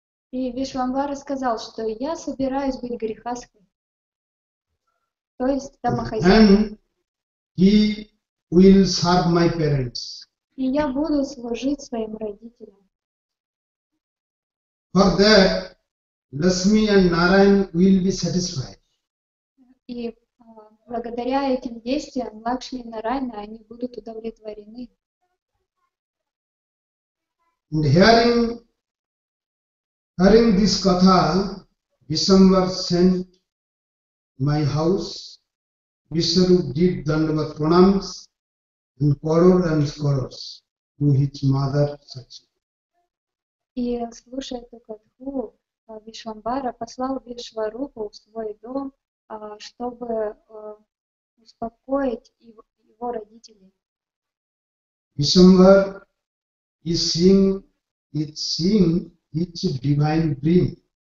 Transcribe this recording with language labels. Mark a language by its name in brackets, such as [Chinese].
[Russian] И Вишвамбара сказал, что я собираюсь быть грихасхой, то есть домохозяином. И я буду служить своим родителям. [English] For that, Lakshmi and Narayan will be satisfied. [Russian] И благодаря этим действиям Лакшми и Нарайна, они будут удовлетворены. [English] And hearing this katha, Vishwambhar sent my house. Vishwarup did dandavat pranams and crores to his mother Sakshi. [Russian] И слушая эту катху, Вишвамбара послал Вишварупу в свой дом, чтобы успокоить его родителей. [English] Vishwambhar is seeing it's a divine dream.